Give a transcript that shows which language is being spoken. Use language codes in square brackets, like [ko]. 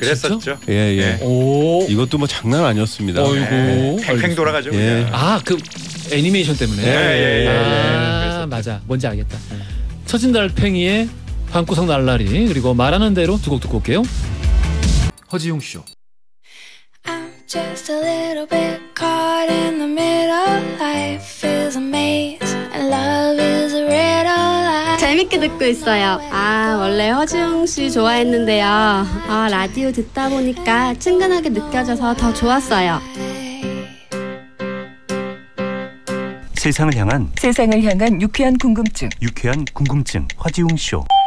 [ko] 아, 그랬었죠? 예, 예. 예. 오. 이것도 뭐 장난 아니었습니다. 어이구. 예. 팽팽 돌아가죠. 예. 아, 그 애니메이션 때문에. 예, 예, 예. 아, 맞아. 뭔지 알겠다. 처진 달 팽이의 방구석 날라리 그리고 말하는 대로 두 곡 듣고 올게요. 허지용 쇼. [en] I'm just a little bit caught in the middle. Life is a maze and love is a riddle. [ko] 재밌게 듣고 있어요. 아 원래 허지용 씨 좋아했는데요. 아 라디오 듣다 보니까 친근하게 느껴져서 더 좋았어요. 세상을 향한 유쾌한 궁금증. 유쾌한 궁금증 허지용 쇼.